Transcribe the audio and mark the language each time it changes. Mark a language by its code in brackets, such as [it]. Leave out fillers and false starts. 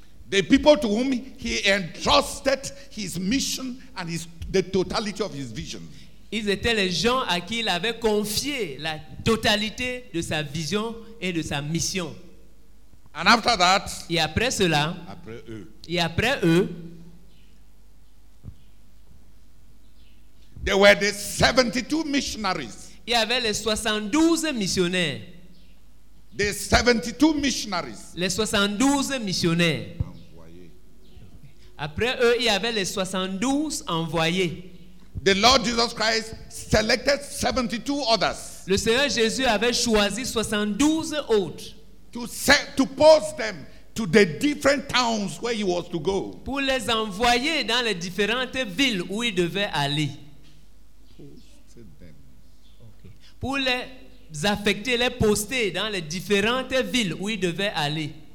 [en] The people to whom he entrusted his mission and his the totality of his vision. [fr] Ils étaient les gens à qui il avait confié la totalité de sa vision et de sa mission. [en] And after that, [fr] et après cela, après eux, et après eux, [en] there were the 72 missionaries. [fr] Il y avait les 72 missionnaires. [en] The 72 missionaries. [fr] Les 72 missionnaires. Envoyés. Après eux, il y avait les 72 envoyés. [en] The Lord Jesus Christ selected 72 others. [fr] Le Seigneur Jésus avait choisi 72 autres. [en] To post them to the different towns where he was to go. [fr] Pour les envoyer dans les différentes villes où il devait aller. [en] Posted them. Okay. [fr] Pour les affecter, les poster dans les différentes villes où il devait aller.